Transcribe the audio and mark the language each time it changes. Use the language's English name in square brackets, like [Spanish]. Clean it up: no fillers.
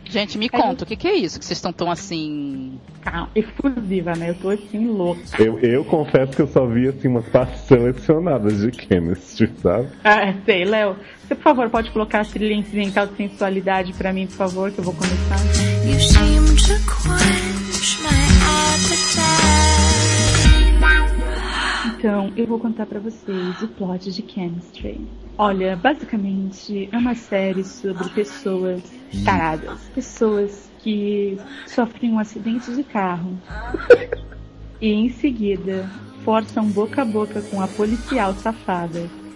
[Portuguese] Gente, me conta, o que é isso? Que vocês estão tão assim... Exclusiva, né? Eu tô assim, louca. Eu confesso que eu só vi assim umas partes selecionadas de Chemistry, sabe? Ah, sei, Léo. Você, por favor, pode colocar a trilha incidental de sensualidade pra mim, por favor, que eu vou começar. [English] You seem to quench my appetite. [Portuguese] Então, eu vou contar pra vocês o plot de Chemistry. Olha, basicamente, é uma série sobre pessoas taradas. Pessoas que sofrem um acidente de carro. E, em seguida, forçam boca a boca com a policial safada.